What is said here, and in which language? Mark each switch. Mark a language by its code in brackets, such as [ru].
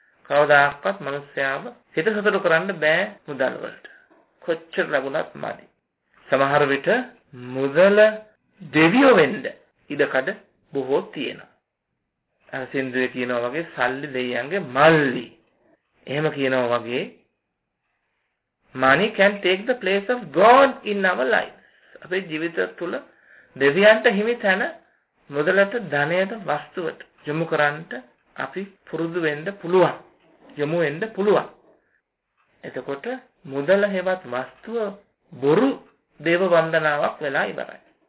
[si] කවදාකවත් මනුස්සයාව හිත සතුට කරන්න බෑ මුදල් වලට. කොච්චර ලැබුණත් මදි. සමහර විට මුදල දෙවියෝ වෙන්න ඉඩකඩ බොහෝ තියෙනවා. අර සින්දුවේ කියනවා වගේ සල්ලි දෙයියන්ගේ මල්ලි. එහෙම කියනවා වගේ [en] money can take the place of God in our lives. [si] අපේ ජීවිත තුළ දෙවියන්ට හිමි තැන මුදලට, ධනයට, වස්තුවට යොමු කරන්න අපි පුරුදු වෙන්න පුළුවන්. යොමු වෙන්න පුළුවන්. එතකොට මුදල හෙවත් වස්තුව බොරු දේව වන්දනාවක් වෙලා ඉවරයි.